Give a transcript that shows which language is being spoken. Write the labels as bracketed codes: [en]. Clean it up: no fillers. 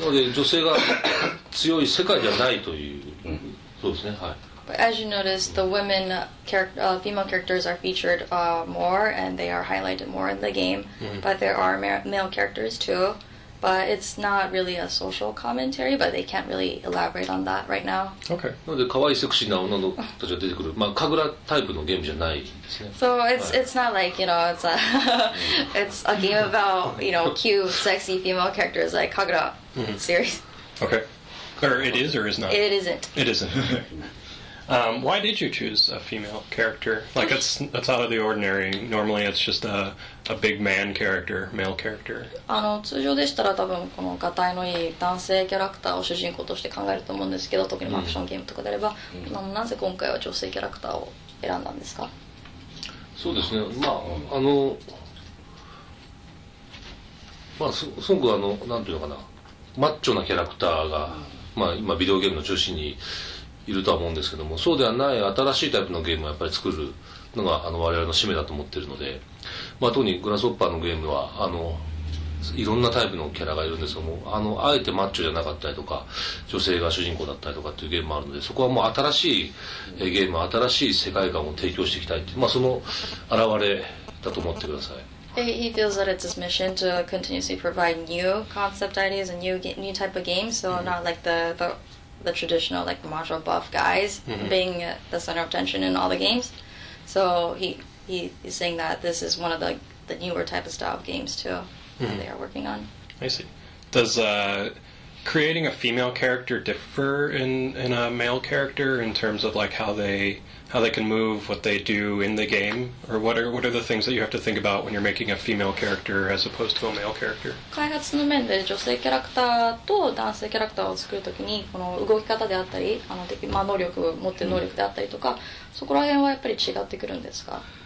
[ja] なので女性が強い世界じゃないという、そうですね、はい。 [en] But as you notice, the women character, female characters are featured more, and they are highlighted more in the game. Mm-hmm. But there are male characters too. But it's not really a social commentary. But they can't really elaborate on that right now. Okay. [ja] なので可愛いセクシーな女の子たちが出てくる、まあ神楽タイプのゲームじゃないですね。 [en] So it's not like you know it's a it's a game about you know cute sexy female characters like Kagura series. Okay. Or it is or is not. It isn't. It isn't. why did you choose a female character? Like, that's out of the ordinary. Normally, it's just a big man character, male character. [ja] あの、通常でしたら多分このガタイのいい男性キャラクターを主人公として考えると思うんですけど、特にアクションゲームとかであれば、なぜ今回は女性キャラクターを選んだんですか？そうですね。まあ、あの、まあ、すごくあの、なんていうのかな、マッチョなキャラクターが、まあ、今ビデオゲームの中心に、いるとは思うんですけども、そうではない新しいタイプのゲームをやっぱり作るのがあの我々の使命だと思っているので、まあ、特にグラスホッパーのゲームはあのいろんなタイプのキャラがいるんですけども、あのあえてマッチョじゃなかったりとか女性が主人公だったりとかっていうゲームもあるので、そこはもう新しいゲーム、新しい世界観を提供していきたいっていう、まあ、その表れだと思ってください。 [en] He feels that it's his mission to continuously provide new concept ideas and new type of games, so not like the traditional like macho buff guys being the center of attention in all the games. So he is saying that this is one of the newer type of style of games too that they are working on. I see. Does creating a female character differ in a male character in terms of like how they can move, what they do in the game? Or what are the things that you have to think about when you're making a female character as opposed to a male character? [ja] 開発の面で女性キャラクターと男性キャラクターを作るときに、この動き方であったり、あの、まあ、能力、持ってる能力であったりとか、そこら辺はやっぱり違ってくるんですか？